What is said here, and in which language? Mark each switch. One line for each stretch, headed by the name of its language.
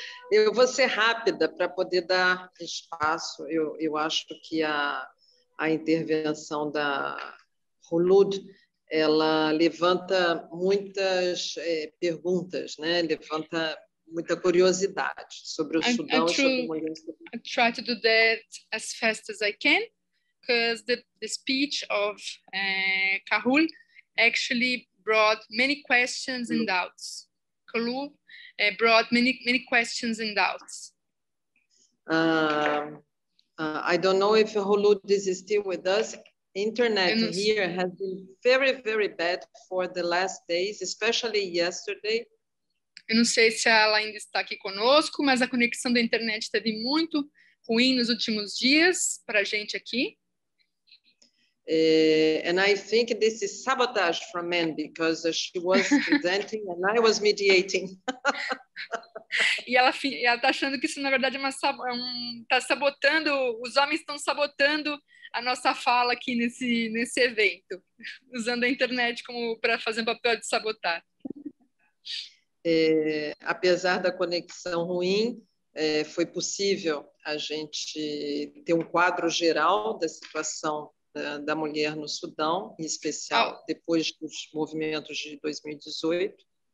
Portuguese: Eu vou ser rápida para poder dar espaço. Eu acho que a intervenção da Hulud, ela levanta muitas perguntas, né? Levanta muita curiosidade sobre o Sudão e sobre mulheres.
English: I try to do that as fast as I can, because the speech of Kahul actually brought many questions and doubts. Brought many questions and doubts. I don't know if Hulud is still with us. Internet here has been very, very bad for the last days, especially yesterday.
Portuguese: Eu não sei se ela ainda está aqui conosco, mas a conexão da internet esteve muito ruim nos últimos dias para a gente aqui.
English: And I think this is sabotage from men, because she was presenting and I was mediating.
Portuguese: E ela está achando que isso, na verdade, está sabotando, os homens estão sabotando a nossa fala aqui nesse evento, usando a internet como para fazer um papel de sabotar. Apesar da conexão ruim, foi possível a gente ter um quadro geral da situação da mulher no Sudão, em especial depois dos movimentos de 2018.